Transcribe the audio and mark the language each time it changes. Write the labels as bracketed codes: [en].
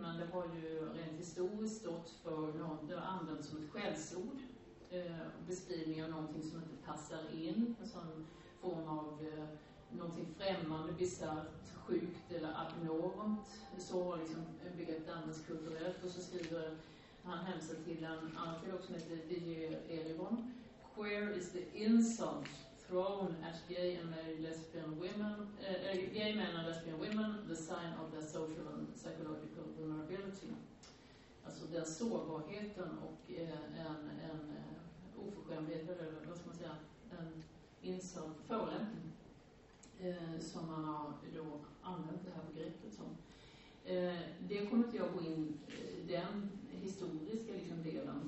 [sv] Men det har ju rent historiskt stått för någon, det har använts som ett skällsord. Beskrivning av någonting som inte passar in, som form av någonting främmande, bisarrt, sjukt eller abnormt. Så har liksom begreppet används kulturellt. Och så skriver han hemsen till en artikel som heter Didier Erivon. [en] Queer is the insult thrown at gay and lesbian women, gay men and lesbian women, the sign of their social and psychological vulnerability. [sv] Alltså den sårbarheten och en oförskämdhet, eller vad ska man säga, en insult, förolämpning som man har då använt det här begreppet som. Det kommer inte jag gå in den historiska liksom delen.